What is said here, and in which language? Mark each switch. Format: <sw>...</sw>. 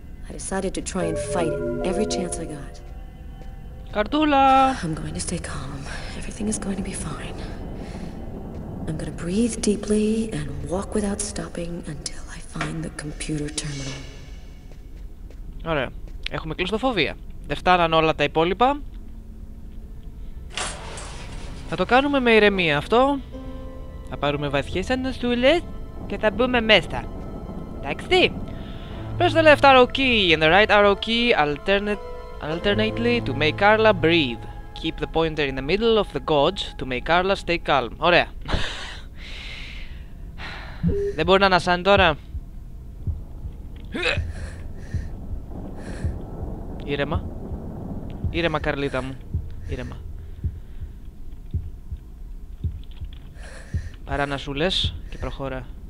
<en>I decided to try and fight it every chance I got. Cartula! I'm going to stay calm. Everything is going to be fine. I'm gonna breathe deeply and walk without stopping until I find the computer terminal.</en> <el>Ωραία. Έχουμε κλειστοφοβία. Δεν φτάναν όλα τα υπόλοιπα. Θα το κάνουμε με ηρεμία αυτό. Θα πάρουμε βαθιές ανασούλες και θα μπούμε μέσα. Εντάξει.</el> <en>Press the left arrow key and the right arrow key alternately to make Carla breathe. Keep the pointer in the middle of the gauge to make Carla stay calm.</en> <el>Ωραία. Δεν μπορεί να ανασάνει τώρα. Ήρεμα. Ήρεμα, Καρλίτα μου. Ήρεμα. Παρά να σου λες και προχώρα.</el>